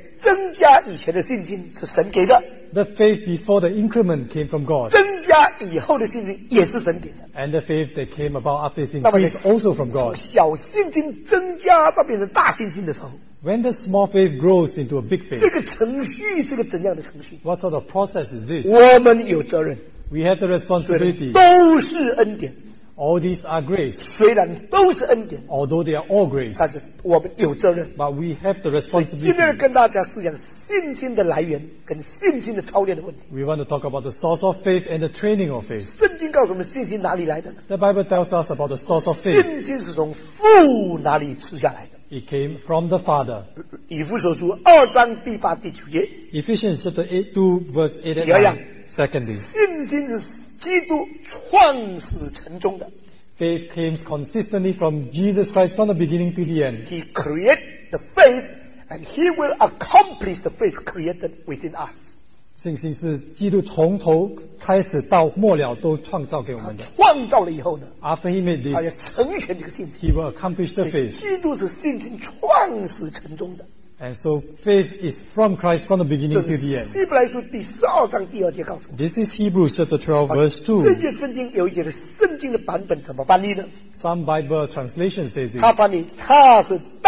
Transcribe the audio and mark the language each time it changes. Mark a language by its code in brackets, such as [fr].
[zh] 我的信心是可以增加的，在增加以前的信心是神给的。 [en] The faith before the increment came from God. [zh] 增加以后的信心也是神给的。 [en] And the faith that came about after this increase also from God. [zh] 小信心增加到变成大信心的时候。 [en] When the small faith grows into a big faith. [zh] 这个程序是个怎样的程序？ [en] What sort of process is this? [zh] 我们有责任。 [en] We have the responsibility. [zh] 都是恩典。 [en] All these are grace. [zh] 虽然都是恩典。 [en] Although they are all grace. [zh] 但是我们有责任。 [en] But we have the responsibility. [zh] 今天跟大家思想信心的来源跟信心的操练的问题。 [en] We want to talk about the source of faith and the training of faith. [zh] 圣经告诉我们信心哪里来的。 [en] The Bible tells us about the source of faith. [zh] 信心是从父哪里赐下来的。 [en] It came from the Father. [zh] 以弗所书2章第8、第9节。 [en] Ephesians chapter 2 verse 8 and 9. Secondly, [zh] 信心是基督创始成终的。 [en] faith came consistently from Jesus Christ from the beginning to the end. He created the faith, and He will accomplish the faith created within us. [zh] 信心是基督从头开始到末了都创造给我们的。创造了以后呢? [en] After He made this, [zh] 他要成全这个信心, [en] He will accomplish the faith. [zh] 基督是信心创始成终的。 [en] And so faith is from Christ from the beginning to the end. [zh] 这是希伯来书第12章第2节告诉我们。 [en] This is Hebrews chapter 12 verse 2. [zh] 这节圣经有一节的圣经的版本怎么翻译呢? [en] Some Bible translation says this.